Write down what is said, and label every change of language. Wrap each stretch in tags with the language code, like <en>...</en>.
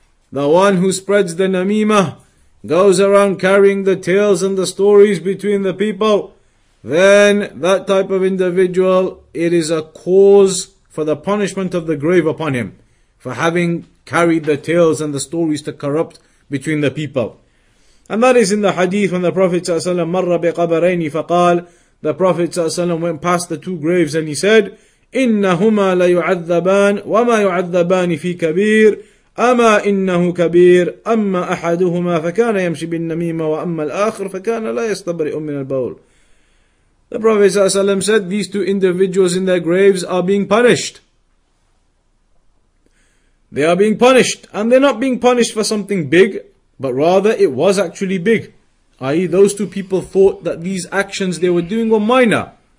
<en>The one who spreads the namima, goes around carrying the tales and the stories between the people, then that type of individual, it is a cause for the punishment of the grave upon him, for having carried the tales and the stories to corrupt between the people. And that is in the hadith when the Prophet ﷺ</en> <ar>marra biqabarayni faqal.</ar> <en>The Prophet ﷺ went past the two graves and he said,</en> <ar>إِنَّهُمَا لَيُعَذَّبَانِ وَمَا يُعَذَّبَانِ فِي كَبِيرٍ أَمَا إِنَّهُ كَبِيرٌ أَمَّا أَحَدُهُمَا فَكَانَ يَمْشِي بِالنَّمِيمَةِ وَأَمَّا الْآخِرُ فَكَانَ لَا يَسْتَبْرِئُ مِنَ الْبَوْلِ.</ar> <en>The Prophet ﷺ said, these two individuals in their graves are being punished. They are being punished, and they're not being punished for something big, but rather it was actually big. I.e. those two people thought that these actions they were doing were minor.</en>